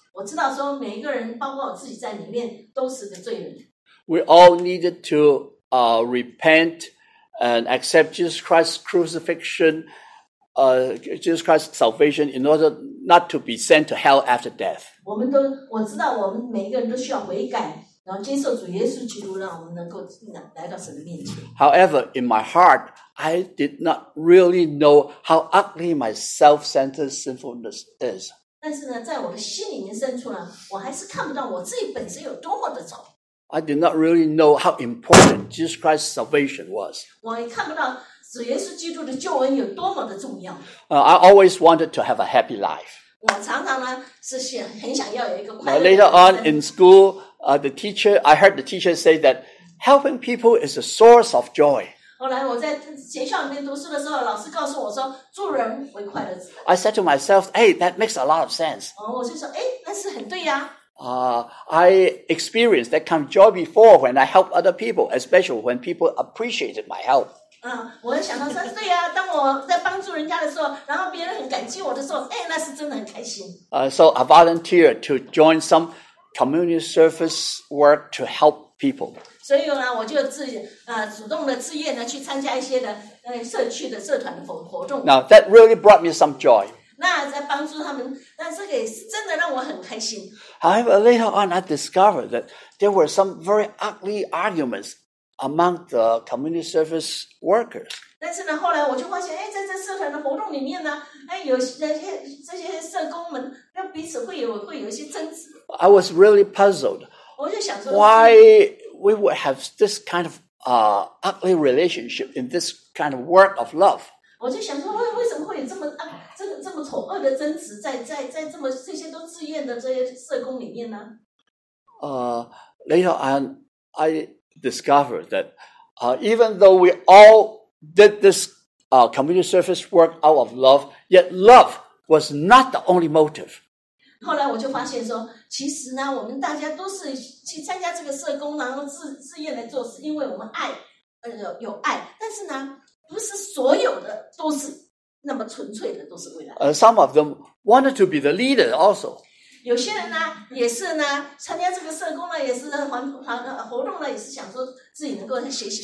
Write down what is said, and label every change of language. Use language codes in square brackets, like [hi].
[zh] 我知道说每一个人，包括我自己在里面，都是个罪人。 [en] We all needed to repent and accept Jesus Christ's crucifixion. Jesus Christ's salvation in order not to be sent to hell after death. [zh] 我们都我知道我们每一个人都需要悔改，然后接受主耶稣基督，让我们能够来到神的面前。 [en] However, in my heart, I did not really know how ugly my self-centered sinfulness is. [zh] 但是呢，在我的心里面深处呢，我还是看不到我自己本身有多么的丑。 [en] I did not really know how important Jesus Christ's salvation was. [zh] 我也看不到。主耶稣基督的救恩有多么的重要。 [en] I always wanted to have a happy life. [zh] 我常常呢是很想要有一个快乐的。 [en] Later on in school, I heard the teacher say that helping people is a source of joy. [zh] 后来我在学校里面读书的时候，老师告诉我说，助人为快乐之本。 [en] I said to myself, "Hey, that makes a lot of sense." [zh] 我就说，哎，那是很对呀。 [en] I experienced that kind of joy before when I helped other people, especially when people appreciated my help. [zh] 我想到说，对呀、啊，当我在帮助人家的时候，然后别人很感激我的时候，哎，那是真的很开心。 [en] So I volunteered to join some community service work to help people. [zh] 所以呢，我就主动的自愿的去参加一些的社区的社团的活动。 [en] Now that really brought me some joy. [zh] 那在帮助他们，那这个真的让我很开心。 [en] However, later on, I discovered that there were some very ugly arguments among the community service workers. [zh] 但是呢，后来我就发现，哎，在这社团的活动里面呢，哎，有这些社工们，那彼此会有一些争执。 [en] I was really puzzled. [zh] 我就想说 [en] ，Why we would have this kind of ugly relationship in this kind of work of love? [zh] 我就想说，为什么会有这么肮？ [en] Later on, I discovered that even though we all did this community service work out of love, yet love was not the only motive. [zh] 后来我就发现说，其实呢，我们大家都是去参加这个社工，然后自愿来做，是因为我们爱，有爱。但是呢，不是所有的都是。那么纯粹的都是为了。 [en] Some of them wanted to be the leader also. [zh] 有些人呢，也是呢，参加这个社工呢，也是活动呢，也是想说自己能够学习。